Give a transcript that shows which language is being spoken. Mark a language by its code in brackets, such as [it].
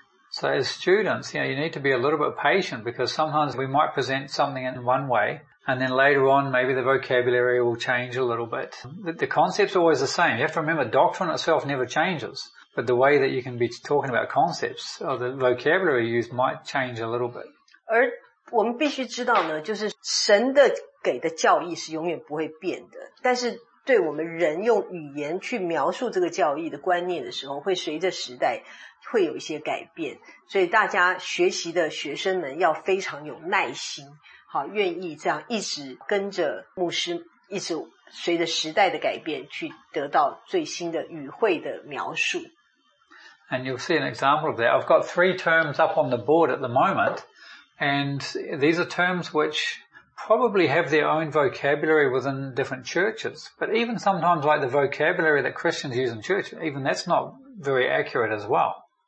[en] So as students, you know, you need to be a little bit patient because sometimes we might present something in one way, And then later on, maybe the vocabulary will change a little bit. The concept's always the same. You have to remember, doctrine itself never changes. But the way that you can be talking about concepts, or the vocabulary used might change a little bit. [zh] 而我们必须知道呢, 就是神的给的教义是永远不会变的。但是对我们人用语言去描述这个教义的观念的时候, 会随着时代会有一些改变。所以大家学习的学生们要非常有耐心。好，愿意这样一直跟着牧师，一直随着时代的改变去得到最新的语汇的描述。 [en] And you'll see an example of that. I've got three terms up on the board at the moment, and these are terms which probably have their own vocabulary within different churches. But even sometimes, like the vocabulary that Christians use in church, even that's not very accurate as well.